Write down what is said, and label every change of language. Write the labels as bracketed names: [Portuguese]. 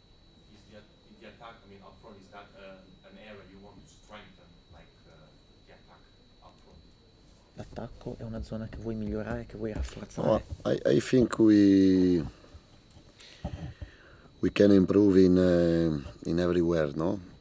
[English] Is the attack, I mean, up front, is that an area you want to strengthen, like the attack up front? [Italian] L'attacco è una zona che vuoi migliorare, che vuoi rafforzare. [English] I think we can improve in everywhere, no?